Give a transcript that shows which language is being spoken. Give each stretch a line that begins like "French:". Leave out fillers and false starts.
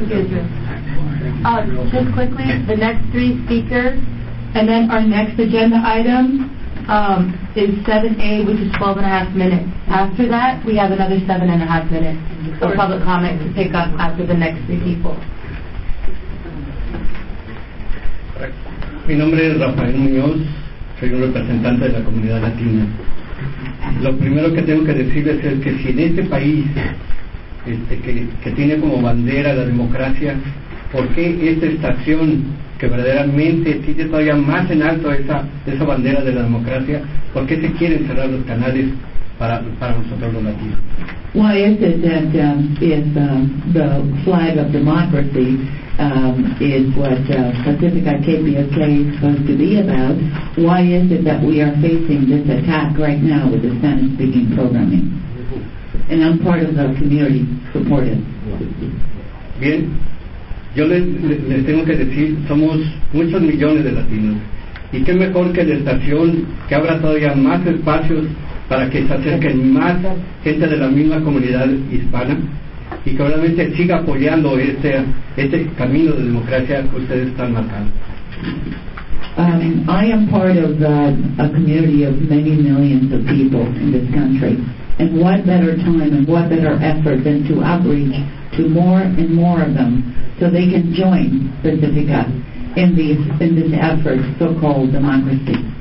English: Just quickly, the next three speakers, and then our next agenda item is 7A, which is 12 and a half minutes. After that, we have another 7.5 minutes of public comment to pick up after the next three people.
Spanish: Mi nombre es Rafael Muñoz, soy un representante de la comunidad latina. Lo primero que tengo que decirles es que si en este país, que tiene como bandera la democracia, ¿por qué esta estación que verdaderamente tiene todavía más en alto esa bandera de la democracia, por qué se quieren cerrar los canales para nosotros los latinos?
English: Why is it that the flag of democracy is what Pacifica KPFK is supposed to be about? Why is it that we are facing this attack right now with the Spanish-speaking programming? And I'm part of the community supportive.
Spanish: Bien, yo les tengo que decir, somos muchos millones de latinos, y qué mejor que la estación que abra todavía más espacios para que se acerquen más gente de la misma comunidad hispana y que obviamente siga apoyando este camino de democracia que ustedes están marcando.
English: I am part of a community of many millions of people in this country, and what better time and what better effort than to outreach to more and more of them so they can join Pacifica in this effort, so-called democracy.